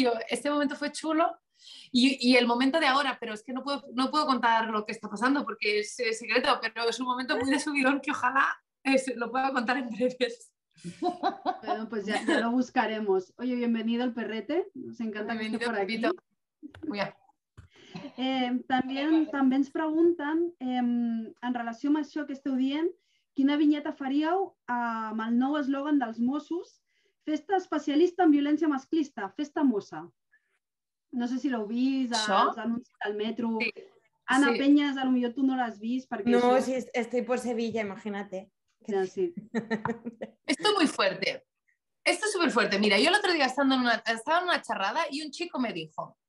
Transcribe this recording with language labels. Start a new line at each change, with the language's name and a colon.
Spanish: Yo, este momento fue chulo y el momento de ahora, pero es que no puedo contar lo que está pasando porque es secreto, pero es un momento muy de subidón que ojalá lo puedo contar en breves. Bueno, pues ya lo buscaremos. Oye, bienvenido al perrete. Nos encanta que estés por aquí. Pepito. Muy bien.
Catalan: També ens pregunten, en relació amb això que esteu dient, quina vinyeta faríeu amb el nou eslògan dels Mossos? Festa especialista en violència masclista, festa mossa. No sé si l'heu vist, els anuncis del metro... Sí. Ana, sí.
Spanish: Peñas, a lo mejor tú no
Catalan: l'has vist. Perquè
Spanish: no, això... si estoy por Sevilla, imagínate.
Catalan: Ja, sí.
Spanish: Esto es muy fuerte. Esto es súper fuerte. Mira, yo el otro día estaba en una charrada y un chico me dijo...